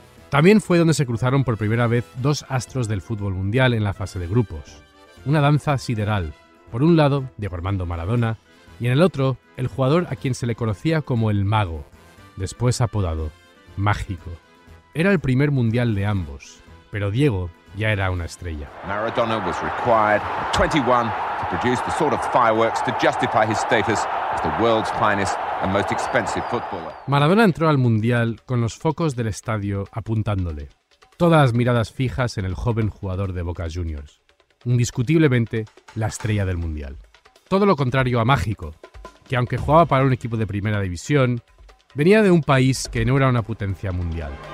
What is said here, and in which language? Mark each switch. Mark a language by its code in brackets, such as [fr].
[es] También fue donde se cruzaron por primera vez dos astros del fútbol mundial en la fase de grupos. Una danza sideral, por un lado Diego Armando Maradona y en el otro el jugador a quien se le conocía como el Mago, después apodado Mágico. Era el primer mundial de ambos, pero Diego ya era una estrella. [en] Maradona was required at 21 to produce the sort of fireworks to justify his status as the world's finest and most expensive footballer. [es] Maradona entró al Mundial con los focos del estadio apuntándole. Todas las miradas fijas en el joven jugador de Boca Juniors. Indiscutiblemente, la estrella del Mundial. Todo lo contrario a Mágico, que aunque jugaba para un equipo de primera división, venía de un país que no era una potencia mundial.